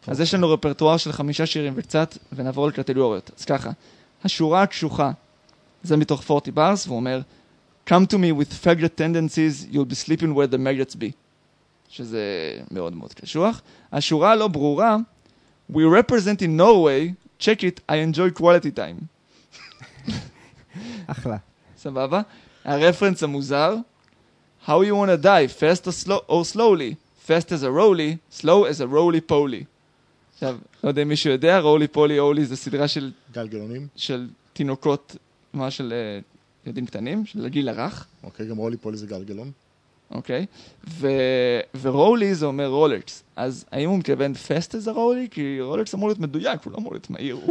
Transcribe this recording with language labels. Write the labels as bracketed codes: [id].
[he] אז יש לנו רפרטואר של 5 שירים וקצת, ונעבור לקטגוריות. אז ככה, השורה הקשוחה, זה מתוך 40 Bars, והוא אומר, [en] Come to me with faggot tendencies, you'll be sleeping where the maggots be. [he] שזה מאוד מאוד קשוח. השורה הלא ברורה, [en] We represent in Norway. Check it, I enjoy quality time. [he] אחלה. סבבה? הרפרנס המוזר. [en] How you wanna die, fast or slowly? Fast as a roly, slow as a roly-poly. [he] עכשיו, לא יודע אם מישהו יודע, roly-poly-oly זה סדרה של... גלגלונים. של תינוקות, מה של ילדים קטנים, של גיל הרך. אוקיי, גם roly-poly זה גלגלון. אוקיי. ורולי זה אומר רולקס. אז האם הוא מתכוון [en] fast as a roly? [he] כי רולקס אמור להיות מדויק, הוא לא אמור להיות מהיר.